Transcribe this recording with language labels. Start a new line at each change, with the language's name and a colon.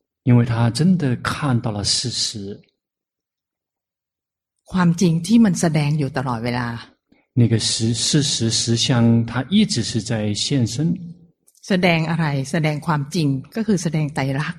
Chinese: 因为它真的看到了事实
Thai: ความจริงที่มันแสดงอยู่ตลอดเวลา
Chinese: 那个事实相它一直是在现身
Thai: แสดงอะไรแสดงความจริงก็คือแสดงไตรลักษณ